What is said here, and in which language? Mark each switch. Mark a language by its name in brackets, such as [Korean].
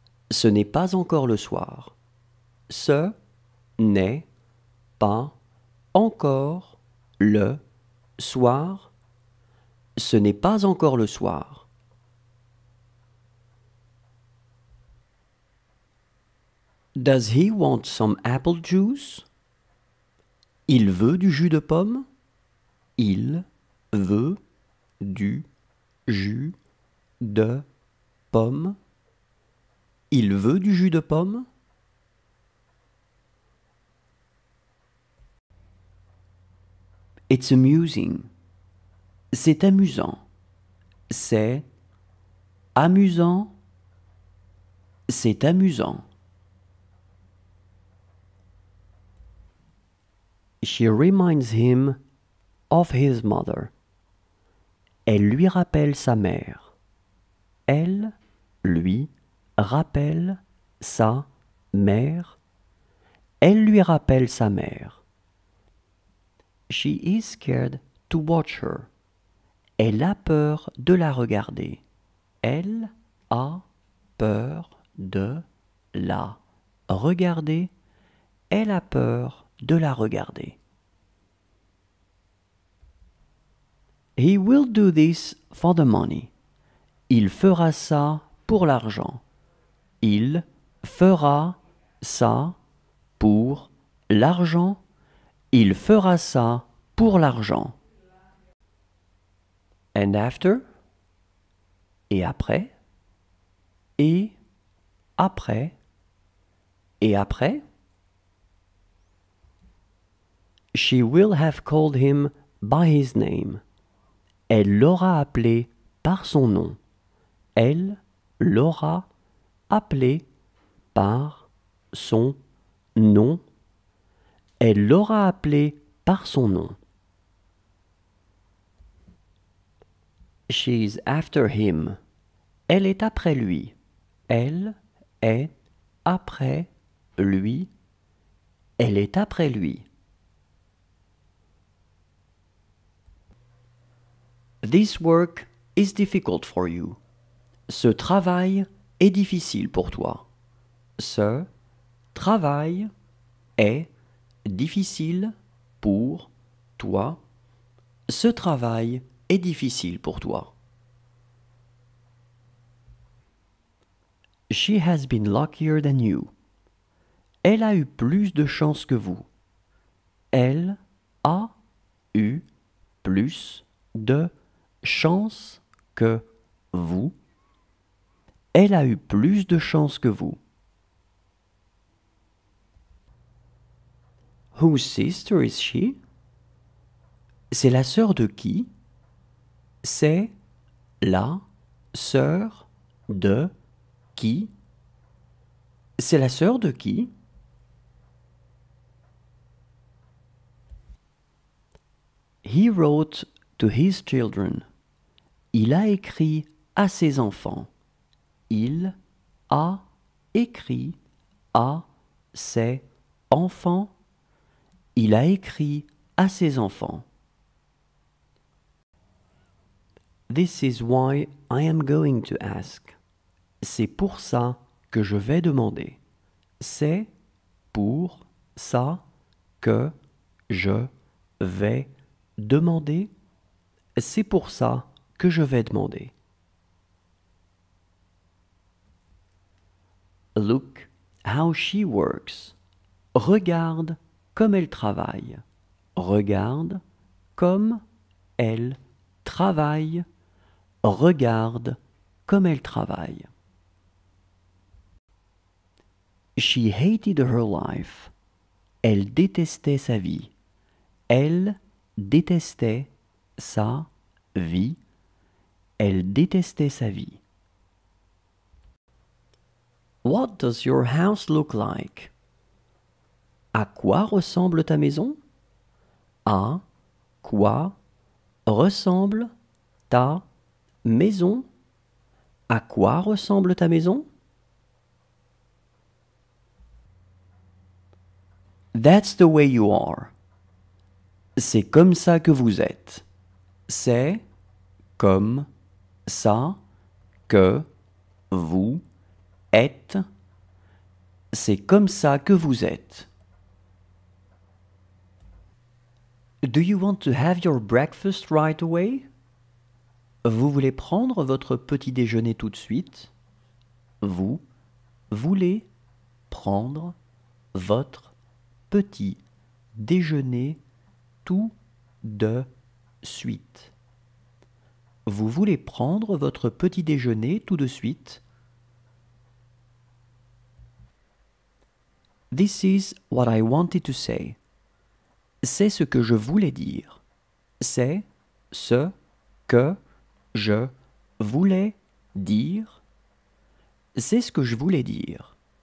[French] Ce n'est pas encore le soir. Ce n'est pas encore le soir. Ce n'est pas encore le soir. [English] Does he want some apple juice? [French] Il veut du jus de pomme. Il veut du jus de pomme. Il veut du jus de pomme. [English] It's amusing. [French] C'est amusant. C'est amusant. C'est amusant. [English] She reminds him of his mother. [French] Elle lui rappelle sa mère. Elle lui rappelle sa mère. Elle lui rappelle sa mère. [English] She is scared to watch her. [French] Elle a peur de la regarder. Elle a peur de la regarder. Elle a peur de la regarder. [English] He will do this for the money. [French] Il fera ça pour l'argent. Il fera ça pour l'argent. Il fera ça pour l'argent. [English] And after? [French] Et après? Et après? Et après? [English] She will have called him by his name. [French] Elle l'aura appelé par son nom. Elle l'aura appelé par son nom. Elle l'aura appelé par son nom. [English] She's after him. [French] Elle est après lui. Elle est après lui. Elle est après lui. [English] This work is difficult for you. [French] Ce travail est difficile pour toi. Ce travail est difficile pour toi. Ce travail est difficile pour toi. [English] She has been luckier than you. [French] Elle a eu plus de chance que vous. Elle a eu plus de chance que vous. Elle a eu plus de chance que vous. [English] Whose sister is she? [French] C'est la sœur de qui? C'est la sœur de qui? C'est la sœur de qui? [English] He wrote to his children. [French] Il a écrit à ses enfants. Il a écrit à ses enfants. Il a écrit à ses enfants. [English] This is why I am going to ask. [French] C'est pour ça que je vais demander. C'est pour ça que je vais demander. C'est pour ça que je vais demander. [English] Look how she works. [French] Regarde comme elle travaille. Regarde comme elle travaille. Regarde comme elle travaille. [English] She hated her life. [French] Elle détestait sa vie. Elle détestait sa vie. Elle détestait sa vie. [English] What does your house look like? [French] À quoi ressemble ta maison? À quoi ressemble ta maison? À quoi ressemble ta maison? [English] That's the way you are. [French] C'est comme ça que vous êtes. C'est comme ça que vous êtes. C'est comme ça que vous êtes. [English] Do you want to have your breakfast right away? [French] Vous voulez prendre votre petit déjeuner tout de suite? Vous voulez prendre votre petit déjeuner tout de suite? Vous voulez prendre votre petit déjeuner tout de suite? [English] This is what I wanted to say. [French] C'est ce que je voulais dire. C'est ce que je voulais dire. C'est ce que je voulais dire.